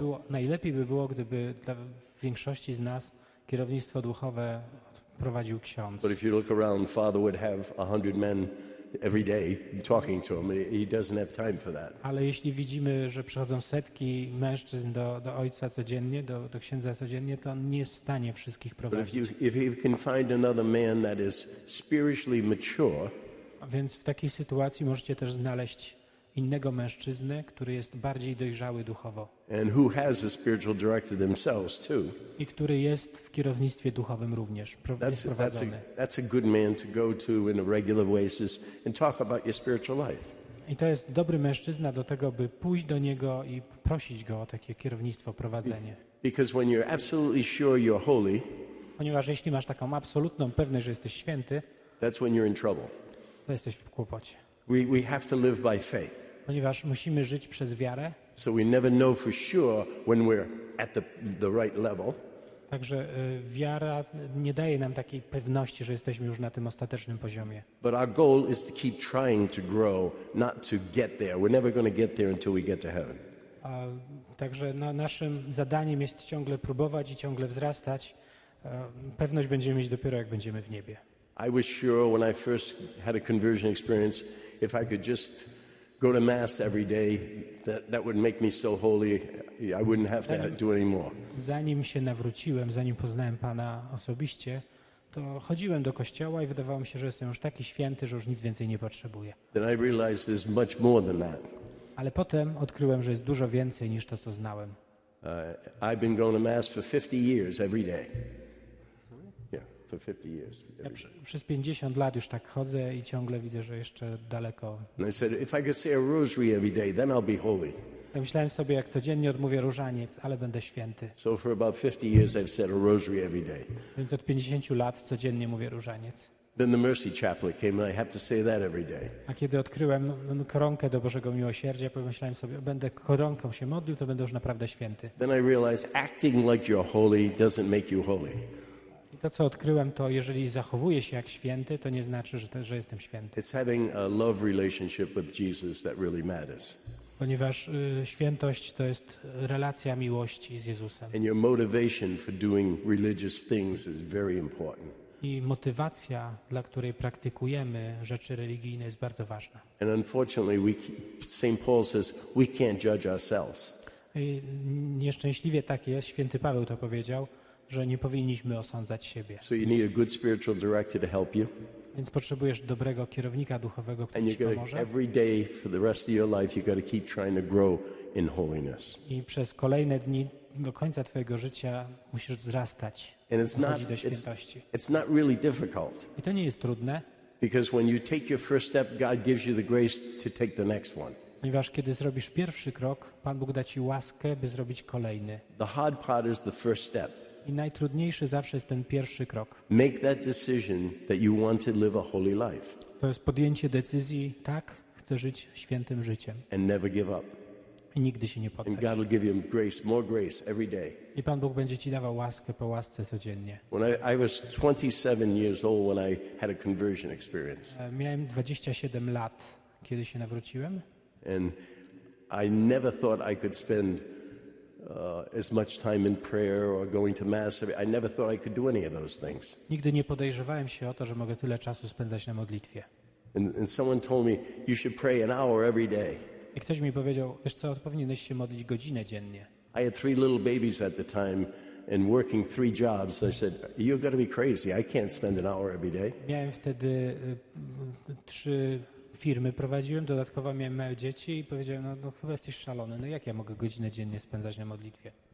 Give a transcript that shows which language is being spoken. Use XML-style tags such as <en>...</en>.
<pl>Najlepiej by było, gdyby dla większości z nas kierownictwo duchowe prowadził ksiądz.</pl> <en>But if you look around, Father would have 100 men every day talking to him. He doesn't have time for that.</en> <pl>Ale jeśli widzimy, że przychodzą setki mężczyzn do ojca codziennie, do księdza codziennie, to on nie jest w stanie wszystkich prowadzić.</pl> <en>But if you can find another man that is spiritually mature.</en> <pl>Więc w takiej sytuacji możecie też znaleźć innego mężczyzny, który jest bardziej dojrzały duchowo.</pl> <en>And who has a spiritual director themselves too.</en> <pl>I który jest w kierownictwie duchowym również prowadzony.</pl> <en>That's a good man to go to in a regular basis and talk about your spiritual life.</en> <pl>I to jest dobry mężczyzna do tego, by pójść do niego i prosić go o takie kierownictwo, prowadzenie.</pl> <en>Because when you're absolutely sure you're holy,</en> <pl>ponieważ jeśli masz taką absolutną pewność, że jesteś święty,</pl> <en>that's when you're in trouble.</en> <pl>To jesteś w kłopocie.</pl> <en>We have to live by faith.</en> <pl>Ponieważ musimy żyć przez wiarę.</pl> <en>So we never know for sure when we're at the right level.</en> <pl>Także wiara nie daje nam takiej pewności, że jesteśmy już na tym ostatecznym poziomie.</pl> <en>But our goal is to keep trying to grow, not to get there. We're never going to get there until we get to heaven.</en> <pl>Także naszym zadaniem jest ciągle próbować i ciągle wzrastać. Pewność będziemy mieć dopiero jak będziemy w niebie.</pl> <en>I was sure when I first had a conversion experience, if I could just go to mass every day, that would make me so holy, I wouldn't have to do it anymore.</en> <pl>Zanim się nawróciłem, zanim poznałem Pana osobiście, to chodziłem do kościoła i wydawało mi się, że jestem już taki święty, że już nic więcej nie potrzebuję.</pl> <en>Then I realized there's much more than that.</en> <pl>Ale potem odkryłem, że jest dużo więcej niż to, co znałem.</pl> <en>I've been going to mass for 50 years every day. For 50 years.</en> <pl>Ja przez 50 lat już tak chodzę i ciągle widzę, że jeszcze daleko.</pl> <en>And I said, if I could say a rosary every day, then I'll be holy.</en> <pl>Ja myślałem sobie, jak codziennie odmówię różaniec, ale będę święty.</pl> <en>So for about 50 years I've said a rosary every day.</en> <pl>Więc od 50 lat codziennie mówię różaniec.</pl> <en>Then the mercy chaplet came and I have to say that every day.</en> <pl>A kiedy odkryłem koronkę do Bożego Miłosierdzia, pomyślałem sobie, będę koronką się modlił, to będę już naprawdę święty.</pl> <en>Then I realized acting like you're holy doesn't make you holy.</en> <pl>To, co odkryłem, to jeżeli zachowuję się jak święty, to nie znaczy, że jestem święty.</pl> <en>It's having a love relationship with Jesus that really matters.</en> <pl>Ponieważ świętość to jest relacja miłości z Jezusem.</pl> <en>And your motivation for doing religious things is very important.</en> <pl>I motywacja, dla której praktykujemy rzeczy religijne, jest bardzo ważna.</pl> <en>And unfortunately, St. Paul says, we can't judge ourselves.</en> <pl>I nieszczęśliwie tak jest, święty Paweł to powiedział, że nie powinniśmy osądzać siebie.</pl> <en>So you need a good spiritual director to help you.</en> <pl>Więc potrzebujesz dobrego kierownika duchowego, który ci pomoże.</pl> <en>Every day for the rest of your life you got to keep trying to grow in holiness.</en> <pl>I przez kolejne dni do końca twojego życia musisz wzrastać.</pl> <en>And it's not,</en> <pl>do świętości.</pl> <en>It's not really difficult.</en> <pl>I to nie jest trudne.</pl> <en>Because when you take your first step God gives you the grace to take the next one.</en> <pl>Ponieważ kiedy zrobisz pierwszy krok, Pan Bóg da ci łaskę, by zrobić kolejny.</pl> <en>The hard part is the first step.</en> <pl>I najtrudniejszy zawsze jest ten pierwszy krok.</pl> <en>Make that decision that you want to live a holy life.</en> <pl>To jest podjęcie decyzji, tak, chcę żyć świętym życiem.</pl> <en>And never give up.</en> <pl>I nigdy się nie poddać.</pl> <en>And God will give you grace, more grace every day.</en> <pl>I Pan Bóg będzie ci dawał łaskę po łasce codziennie.</pl> <en>When I was 27 years old when I had a conversion experience.</en> <pl>Miałem 27 lat, kiedy się nawróciłem.</pl> <en>And I never thought I could spend as much time in prayer or going to mass. I never thought I could do any of those things.</en> <pl>Nigdy nie podejrzewałem się o to, że mogę tyle czasu spędzać na modlitwie.</pl> <en>And someone told me you should pray an hour every day.</en> <pl>I ktoś mi powiedział, wiesz co, powinieneś się modlić godzinę dziennie.</pl> <en>I had three little babies at the time and working three jobs. I said, you've got to be crazy. I can't spend an hour every day.</en> <pl>Miałem wtedy trzy firmy prowadziłem, dodatkowo miałem małe dzieci i powiedziałem, no chyba jesteś szalony, no jak ja mogę godzinę dziennie spędzać na modlitwie?</pl>